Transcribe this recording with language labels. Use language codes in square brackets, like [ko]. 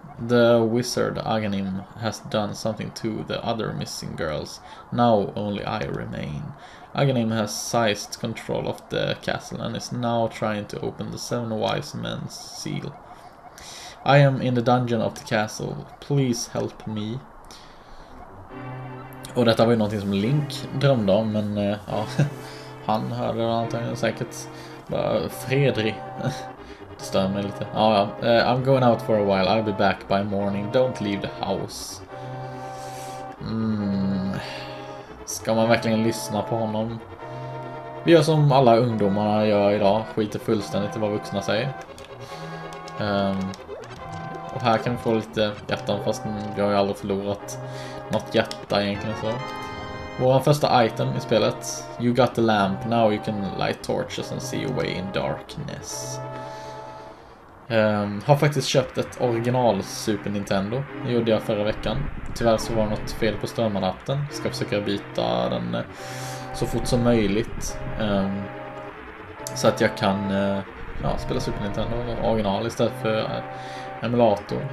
[en] The wizard Aghanim has done something to the other missing girls. Now only I remain. Aghanim has seized control of the castle and is now trying to open the seven wise men's seal. I am in the dungeon of the castle. Please help me. [sv] Och detta var ju någonting som Link drömde om, men ja, han hörde det antagligen säkert. [en] Fredrik. [sv] Stör mig lite. Oh, ja. [en] I'm going out for a while. I'll be back by morning. Don't leave the house. [sv] Ska man verkligen lyssna på honom? Vi gör som alla ungdomar gör idag. Skiter fullständigt i vad vuxna säger. Och här kan vi få lite hjärtan, fast vi har ju aldrig förlorat något hjärta egentligen. Så. Vår första item i spelet. [en] You got the lamp. Now you can light torches and see your way in darkness. [sv] Har faktiskt köpt ett original Super Nintendo. Det gjorde jag förra veckan. Tyvärr så var något fel på strömmanatten. Ska försöka byta den så fort som möjligt. Så att jag kan spela Super Nintendo original istället för emulator.